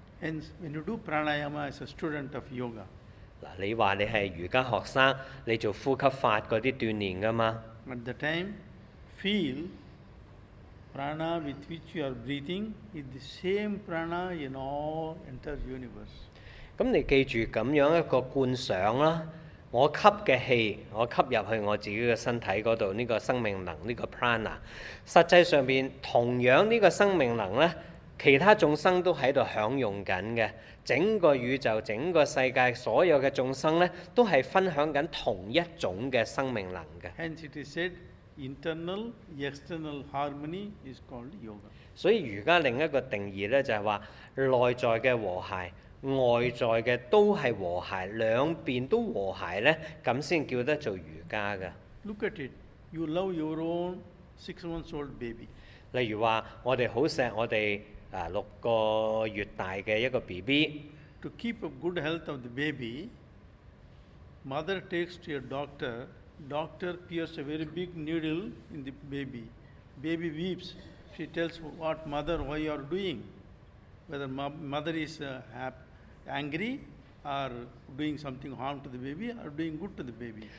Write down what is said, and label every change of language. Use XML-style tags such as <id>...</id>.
<en>Hence, when you do pranayama as a student of yoga，</en> <yue>嗱，你話你係瑜伽學生，你做呼吸法嗰啲鍛鍊噶嘛</yue> <en>？At the time, feel。 Prana with which you are breathing is the same prana in all entire universe。</en> <yue>咁你記住咁樣一個觀想啦，我吸嘅氣，我吸入去我自己嘅身體嗰度，呢個生命能，呢個 prana， 實際上邊同樣呢個生命能咧，其他眾生都喺度享用緊嘅，整個宇宙、整個世界所有嘅眾生咧，都係分享緊同一種嘅生命能嘅。</yue> <en>Hence it is said。 Internal, external harmony is called yoga。</en> <yue>所以瑜伽另一個定義咧，就係話內在嘅和諧、外在嘅都係和諧，兩邊都和諧咧，咁先叫得做瑜伽噶。</yue> <en>Look at it, you love your own 6 months old baby。</en> <yue>例如話，我哋好錫我哋六個月大嘅一個 BB。</yue> <en>To keep a good health of the baby, mother takes to your doctor. Doctor pierce a very big needle in the baby. Baby weeps. She tells what mother, why you are doing? Whether mother is angry or doing something harm to the baby or doing good to the baby.</en>